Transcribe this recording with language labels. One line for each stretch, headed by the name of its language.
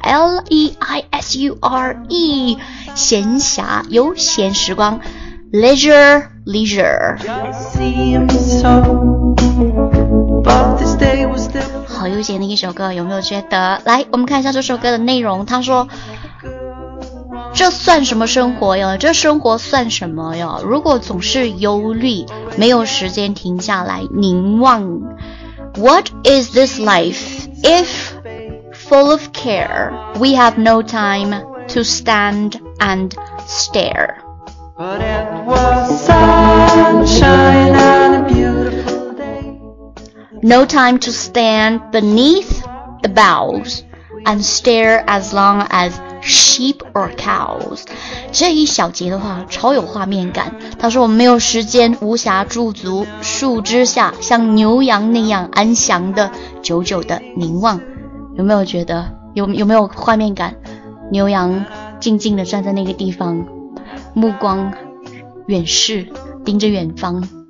English: L-E-I-S-U-R-E
Chinese: 闲暇，悠闲时光，
English: Leisure Just seems so, but this day was still...
Chinese: 好悠闲的一首歌，有没有觉得？来，我们看一下这首歌的内容。他说，这算什么生活哟，这生活算什么哟，如果总是忧虑，没有时间停下来凝望
English: What is this life if full of care? We have no time to stand and stare. But it was sunshine and a beautiful day. No time to stand beneath the boughs and stare as long as sheep or cows.
Chinese: 这一小节的话超有画面感，他说我们没有时间无暇驻足树枝下，像牛羊那样安详的久久的凝望。有没有觉得有没有画面感？牛羊静静地站在那个地方，目光远视盯着远方。